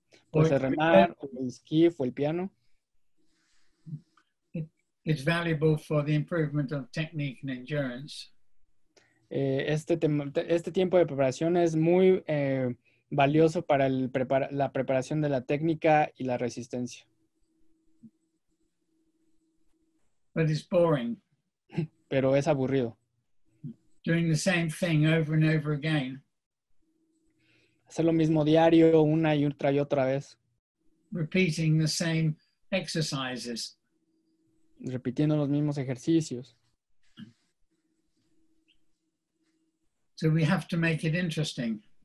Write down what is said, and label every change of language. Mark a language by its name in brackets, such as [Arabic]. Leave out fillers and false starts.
[Spanish] Puede ser remar, o el esquí, o el piano. [English] It's valuable for the improvement of technique and endurance. [Spanish] Este tiempo de preparación es muy valioso para la preparación de la técnica y la resistencia. [English] But it's boring. [Spanish] Pero es aburrido. [English] Doing the same thing over and over again. [Spanish] Hacer lo mismo diario, una y otra y otra vez. [English] Repeating the same exercises. [Spanish] Repitiendo los mismos ejercicios. [English] So we have to make it interesting.